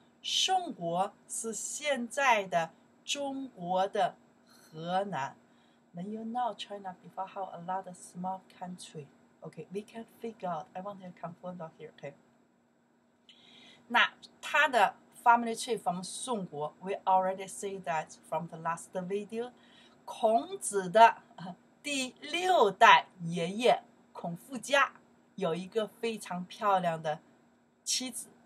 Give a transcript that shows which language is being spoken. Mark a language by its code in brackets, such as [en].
[zh] 宋国是现在的中国的河南。 [en] Then you know China before how a lot of small country. Okay, we can figure out. I want to confirm out here. Okay. [zh] 那他的 [en] family tree from 宋国，we already see that from the last video. [zh] 孔子的第六代爷爷孔父家有一个非常漂亮的妻子。